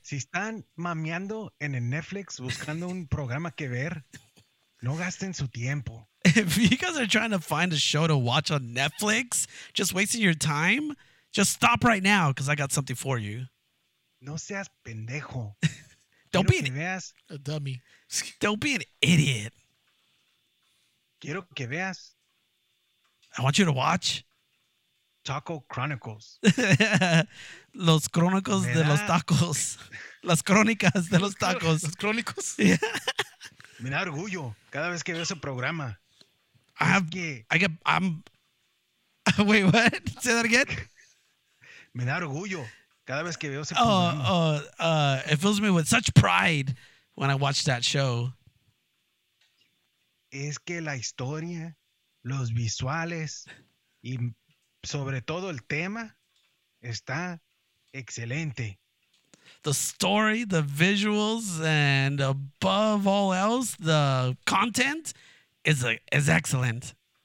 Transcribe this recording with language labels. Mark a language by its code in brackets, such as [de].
[es] Si están mameando en el Netflix buscando un programa que ver, no gasten su tiempo. [en] If you guys are trying to find a show to watch on Netflix, just wasting your time, just stop right now because I got something for you. [es] No seas pendejo. [en] Don't [es] Quiero [en] be an [es] veas, [en] a dummy. Don't be an idiot. [es] Quiero que veas. [en] I want you to watch. Taco Chronicles. [es] Los Chronicles de los Tacos. Las Crónicas de los Tacos. Los Crónicos. Me da orgullo cada vez que veo ese programa. [en] Wait, what? Say that again. [es] Me da orgullo cada vez que veo ese programa. [en] It fills me with such pride when I watch that show. [es] Es que la historia, los visuales y sobre todo el tema está excelente. [en] The story, the visuals, and above all else, the content is excellent.